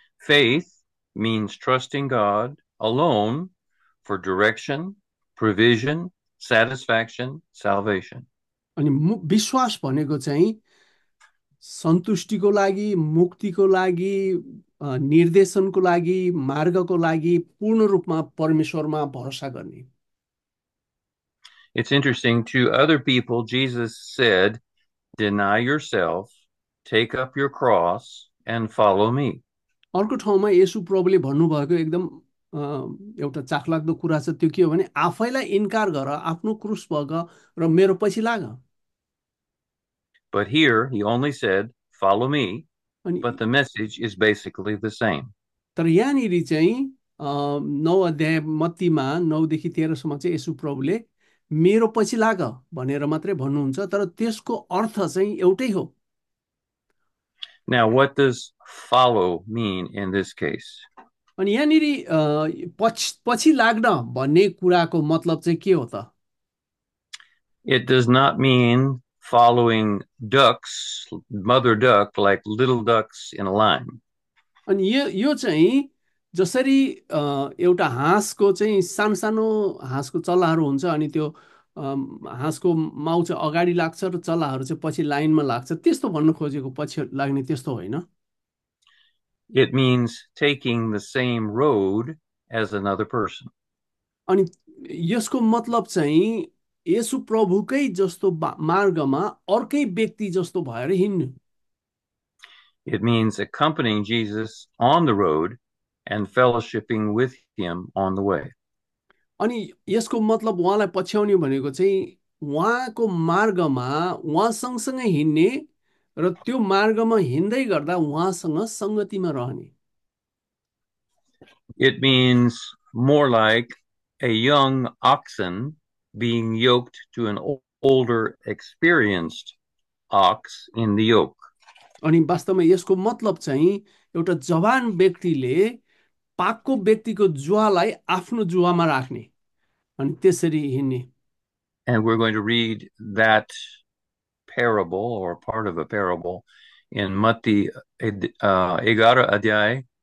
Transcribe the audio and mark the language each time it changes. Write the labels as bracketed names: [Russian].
[English] Faith means trusting God alone for direction, provision, satisfaction, salvation. [Nepali] अनि विश्वास भनेको चाहिँ सन्तुष्टिको लागि, मुक्तिको लागि, निर्देशनको लागि, मार्गको लागि पूर्ण रूपमा परमेश्वरमा भरोसा गर्ने। [English] It's interesting, to other people, Jesus said, deny yourself, take up your cross, and follow me. [Nepali] अर्को ठाउँमा येशु प्रभुले भन्नुभएको एकदम एउटा चाखलाग्दो कुरा छ, त्यो के हो भने आफैलाई इन्कार गर, आफ्नो क्रुस बग र मेरो पछि लाग। [English] But here, he only said, follow me, but [Nepali] अनि [English] the message is basically the same. [Nepali] तर यहाँनिर चाहिँ नौ अध्याय मत्तीमा 9 देखि 13 चाहिँ येशु प्रभुले मेरो पछि लाग भनेर मात्रै भन्नुहुन्छ, तर त्यसको अर्थ चाहिँ एउटै हो। [English] Now, what does follow mean in this case? [Nepali] अनि यहाँनिर पछि लाग्न भन्ने कुराको मतलब चाहिँ के हो त? [English] It does not mean following ducks, mother duck, like little ducks in a line. [Nepali] अनि यो चाहिँ जसरी एउटा हाँसको चाहिँ सानो सानो हाँसको चल्लाहरू हुन्छ, अनि त्यो हाँसको माउ चाहिँ अगाडि लाग्छ र चल्लाहरू चाहिँ पछि लाइनमा लाग्छ, त्यस्तो भन्न खोजेको पछि लाग्ने त्यस्तो होइन। [English] It means taking the same road as another person. [Nepali] अनि यसको मतलब चाहिँ येशु प्रभुकै जस्तो मार्गमा अर्कै व्यक्ति जस्तो भएर हिँड्नु। [English] It means accompanying Jesus on the road and fellowshipping with him on the way. [Nepali] अनि यसको मतलब उहाँलाई पछ्याउने भनेको चाहिँ उहाँको मार्गमा उहाँ सँगसँगै हिँड्ने र त्यो मार्गमा हिँड्दै गर्दा उहाँसँग संगतिमा रहने। [English] It means more like a young oxen being yoked to an older, experienced ox in the yoke. [Nepali] अनि वास्तवमा यसको मतलब चाहिँ एउटा जवान व्यक्तिले पाकको व्यक्तिको जुवालाई आफ्नो जुवामा राख्ने अनि त्यसरी हिँड्ने। [English] And we're going to read that parable or part of a parable in Matthew 11 adhyay.